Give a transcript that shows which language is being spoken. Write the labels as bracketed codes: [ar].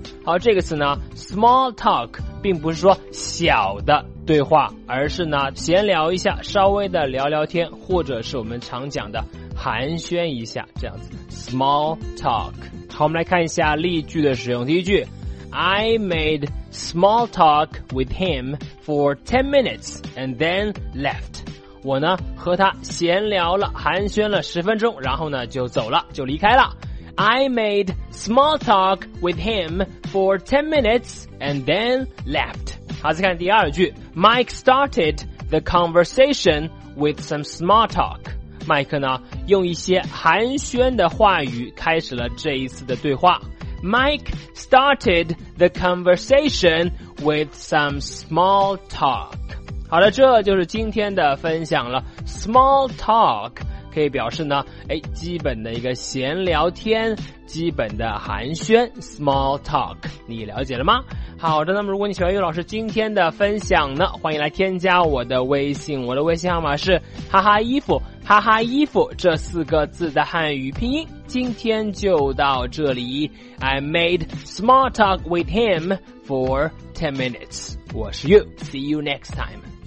[zh] 好，这个词呢 Small talk 并不是说小的对话，而是呢闲聊一下，稍微的聊聊天，或者是我们常讲的寒暄一下，这样子 Small talk。好，我们来看一下例句的使用。第一句， [en] I made small talk with him for 10 minutes and then left. [zh] 我呢和他闲聊了，寒暄了十分钟，然后呢就走了，就离开了。 [en] I made small talk with him for 10 minutes and then left. [zh] 好，再看第二句， [en] Mike started the conversation with some small talk. [zh] Mike 呢用一些寒暄的话语开始了这一次的对话。 [en] Mike started the conversation with some small talk. [zh] 好了，这就是今天的分享了。 Small talk 可以表示呢，哎，基本的一个闲聊天，基本的寒暄。 Small talk， 你了解了吗？好的，那么如果你喜欢于老师今天的分享呢，欢迎来添加我的微信，我的微信号码是哈哈衣服，哈哈衣服这四个字的汉语拼音。今天就到这里， [en] I made small talk with him for 10 minutes. [zh] 我是 [en] You, see you next time.